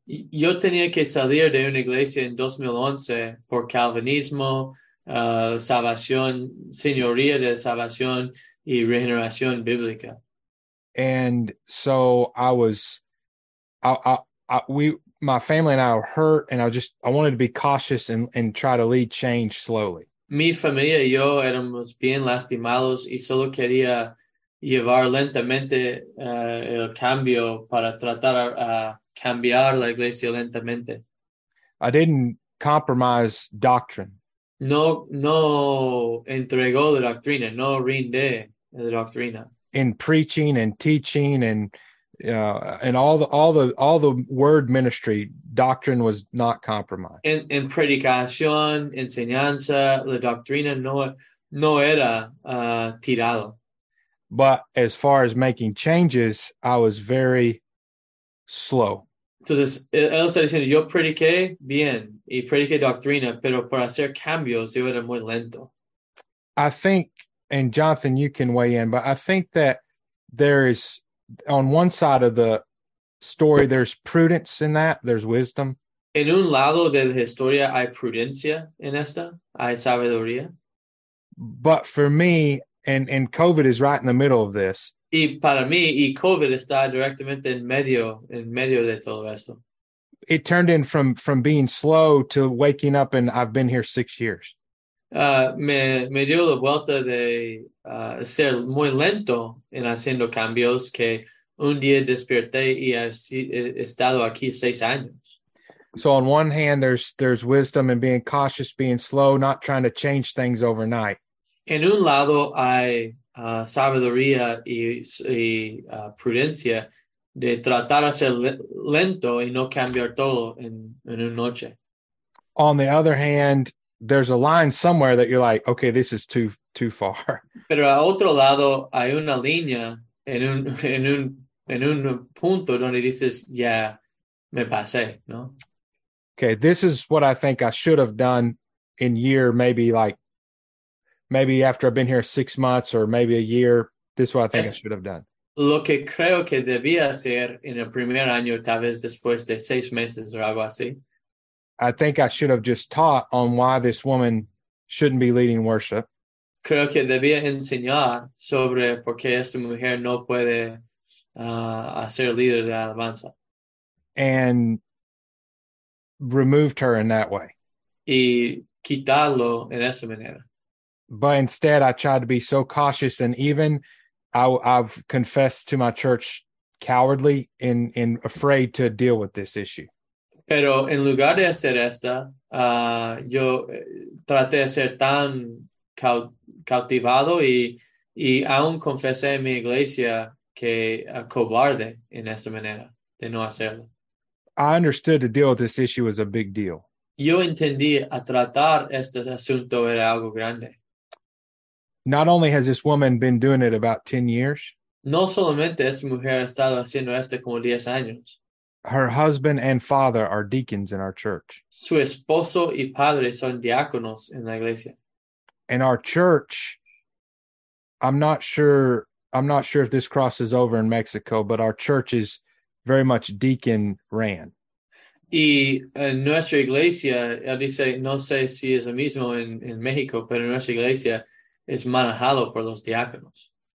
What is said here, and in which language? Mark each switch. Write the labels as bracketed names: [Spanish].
[Spanish] Yo tenía que salir de una iglesia en 2011 por Calvinismo, salvación, señoría de salvación y regeneración bíblica. [English] And so I was, my family and I were hurt, and I wanted to be cautious and try to lead change slowly. [Spanish] Mi familia y yo éramos bien lastimados y solo quería llevar lentamente el cambio para tratar a cambiar la iglesia lentamente. [English] I didn't compromise doctrine. [Spanish] No entregó la doctrina, no rinde la doctrina. [English] In preaching and teaching and all the word ministry, doctrine was not compromised. [Spanish] En predicación, enseñanza, la doctrina no era tirado. [English] But as far as making changes, I was very slow. [Spanish] Entonces, él está diciendo, yo prediqué bien y prediqué doctrina, pero para hacer cambios, yo era muy lento. [English] I think, and Jonathan, you can weigh in, but I think that there is, on one side of the story, there's prudence in that, there's wisdom. [Spanish] En un lado de la historia hay prudencia en esta, hay sabiduría. [English] But for me, and COVID is right in the middle of this. [Spanish] Y para mí, y COVID está directamente en medio de todo esto. [English] It turned in from being slow to waking up and I've been here 6 years. [Spanish] Me dio la vuelta de ser muy lento en haciendo cambios que un día desperté y he estado aquí 6 años. [English] So on one hand, there's wisdom in being cautious, being slow, not trying to change things overnight. [Spanish] En un lado hay sabiduría y prudencia de tratar a ser lento y no cambiar todo en una noche. [English] On the other hand, there's a line somewhere that you're like, okay, this is too far. [Spanish] Pero a otro lado hay una línea en un punto donde dices, yeah, me pasé, ¿no? [English] Okay, this is what I think I should have done in year, maybe like, maybe after I've been here 6 months or maybe a year, this is what I think I should have done. [Spanish] Lo que creo que debía hacer en el primer año, tal vez después de 6 meses o algo así. [English] I think I should have just taught on why this woman shouldn't be leading worship. [Spanish] Creo que debía enseñar sobre por qué esta mujer no puede hacer líder de alabanza. [English] And removed her in that way. [Spanish] Y quitarlo en esta manera. [English] But instead, I tried to be so cautious, and even I've confessed to my church cowardly in afraid to deal with this issue. [Spanish] Pero en lugar de hacer esta, yo traté de ser tan cautivado y aún confesé en mi iglesia que cobarde en esta manera de no hacerlo. [English] I understood to deal with this issue was a big deal. [Spanish] Yo entendí a tratar este asunto era algo grande. [English] Not only has this woman been doing it about 10 years. [Spanish] No solamente esta mujer ha estado haciendo esto como 10 años. [English] Her husband and father are deacons in our church. [Spanish] Su esposo y padre son diáconos en la iglesia. [English] And our church, I'm not sure if this crosses over in Mexico, but our church is very much deacon ran. [Spanish] Y en nuestra iglesia, él dice, no sé si es lo mismo en México, pero en nuestra iglesia es manejado por los diáconos.